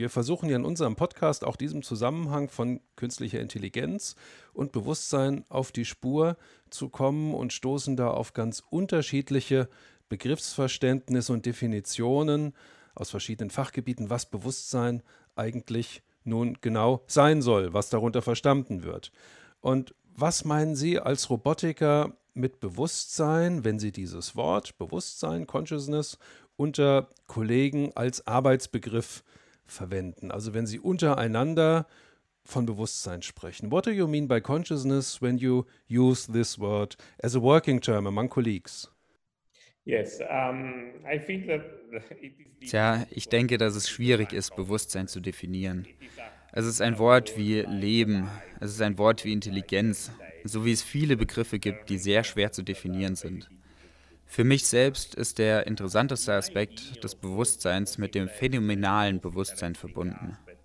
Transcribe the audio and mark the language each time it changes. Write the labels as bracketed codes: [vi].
[de] Wir versuchen ja in unserem Podcast auch diesem Zusammenhang von künstlicher Intelligenz und Bewusstsein auf die Spur zu kommen und stoßen da auf ganz unterschiedliche Begriffsverständnisse und Definitionen aus verschiedenen Fachgebieten, was Bewusstsein eigentlich nun genau sein soll, was darunter verstanden wird. Und was meinen Sie als Robotiker mit Bewusstsein, wenn Sie dieses Wort Bewusstsein, Consciousness, unter Kollegen als Arbeitsbegriff verwenden? Also wenn Sie untereinander von Bewusstsein sprechen. [en] What do you mean by consciousness when you use this word as a working term among colleagues? Yes, I think that it is. [de] Tja, ich denke, dass es schwierig ist, Bewusstsein zu definieren. Es ist ein Wort wie Leben, es ist ein Wort wie Intelligenz, so wie es viele Begriffe gibt, die sehr schwer zu definieren sind. Für mich selbst ist der interessanteste Aspekt des Bewusstseins mit dem phänomenalen Bewusstsein verbunden.